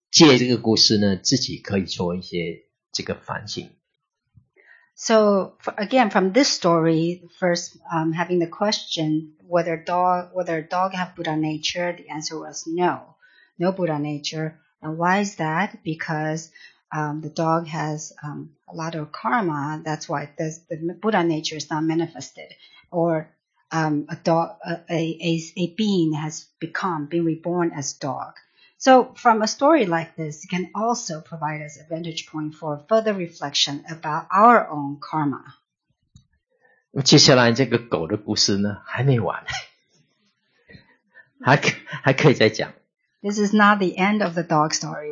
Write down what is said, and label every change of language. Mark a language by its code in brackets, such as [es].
[zh] 借这个故事呢，自己可以做一些这个反省。 [en] So again, from this story, first having the question whether dog have Buddha nature, the answer was no Buddha nature. And why is that? Because the dog has a lot of karma. That's why the Buddha nature is not manifested. Or a being has been reborn as dog. So from a story like this, it can also provide us a vantage point for further reflection about our own karma. [zh] 接下来这个狗的故事呢，还没完，还可以再讲。 [en] This is not the end of the dog story.